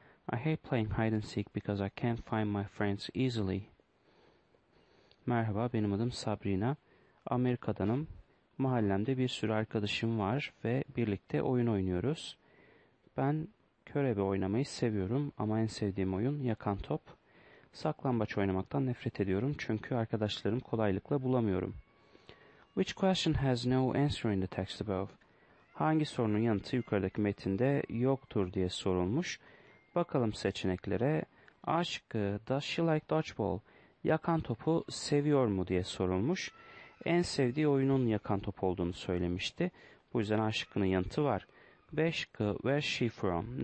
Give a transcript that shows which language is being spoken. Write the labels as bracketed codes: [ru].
[en] I hate playing hide and seek because I can't find my friends easily. [tr] Merhaba, benim adım Sabrina. Amerika'danım. Mahallemde bir sürü arkadaşım var ve birlikte oyun oynuyoruz. Ben körebe oynamayı seviyorum ama en sevdiğim oyun yakan top. Saklambaç oynamaktan nefret ediyorum çünkü arkadaşlarım kolaylıkla bulamıyorum. [en] Which question has no answer in the text above? [tr] Hangi sorunun yanıtı yukarıdaki metinde yoktur diye sorulmuş. Bakalım seçeneklere. A şıkkı, [en] does she like dodgeball? [tr] Yakan topu seviyor mu diye sorulmuş. En sevdiği oyunun yakan top olduğunu söylemişti. Bu yüzden A şıkkının yanıtı var. B şıkkı, [en] where's she from?